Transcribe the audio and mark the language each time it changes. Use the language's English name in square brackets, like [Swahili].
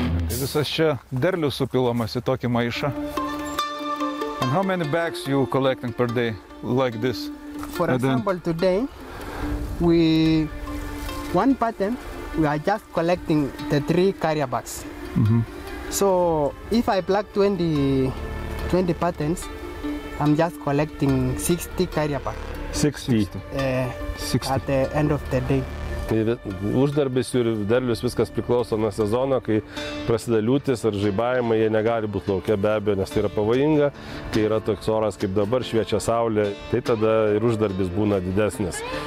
[Lithuanian] Visas čia derlius supilomas į tokį maišą. [English] And how many bags you collecting per day like this? For example, today we one pattern we are just collecting the 3 carrier bags. Mm-hmm. So if I plug 20 patterns, I'm just collecting 60 carrier bags. 60. At the end of the day. [Lithuanian] Tai uždarbis ir derlius viskas priklauso nuo sezono, kai prasideda liūtis ar žaibavimai, jie negali būti laukia be abejo, nes tai yra pavojinga. Kai yra toks oras kaip dabar, šviečia saulė, tai tada ir uždarbis būna didesnis.